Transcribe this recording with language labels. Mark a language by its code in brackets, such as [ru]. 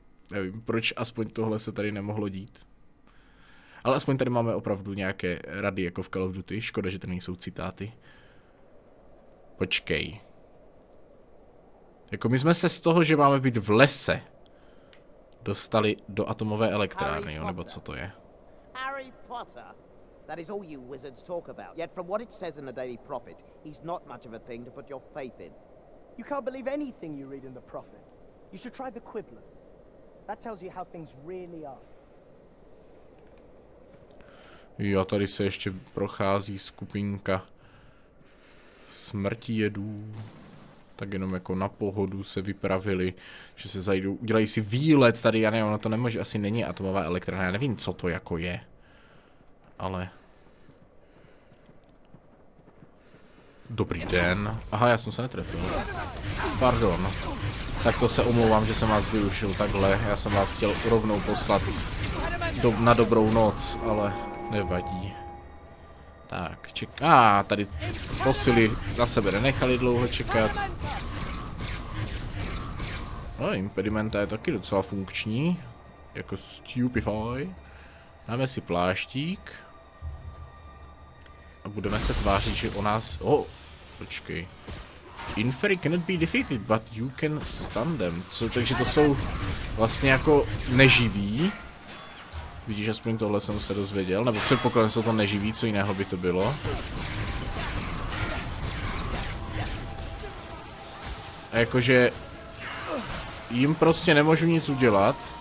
[cs] Nevím, proč aspoň tohle se tady nemohlo dít. Ale aspoň tady máme opravdu nějaké rady jako v Call of Duty, škoda, že tady nejsou citáty. Počkej. Jako my jsme se z toho, že máme být v lese, dostali do atomové elektrárny, jo, nebo co to je? [en] Harry Potter. That is all you wizards talk about. Yet from what it says in the Daily Prophet, he's not much of a thing to put your faith in. You can't believe anything you read in the Prophet. You should try the Quibbler. That tells you how things really are. [cs] Jo, tady se ještě prochází skupinka smrtijedů. Tak jenom jako na pohodu se vypravili, že se zajdou, udělají si výlet tady, já ne, ono to nemůže, asi není atomová elektrárna, já nevím, co to jako je. Ale... Dobrý den. Aha, já jsem se netrefil. Pardon. Tak to se omlouvám, že jsem vás využil takhle. Já jsem vás chtěl rovnou poslat na dobrou noc, ale... Nevadí. Tak, čeká. Tady posily na sebe nenechali dlouho čekat. No, impedimenta je taky docela funkční. Jako stupefy. Dáme si pláštík. A budeme se tvářit, že o nás... O, oh, počkej. [en] Inferi cannot be defeated, but you can stun them. [cs] Co, takže to jsou vlastně jako neživí. Vidíš, aspoň tohle jsem se dozvěděl. Nebo předpokladem jsou to neživí, co jiného by to bylo. A jakože... jim prostě nemůžu nic udělat.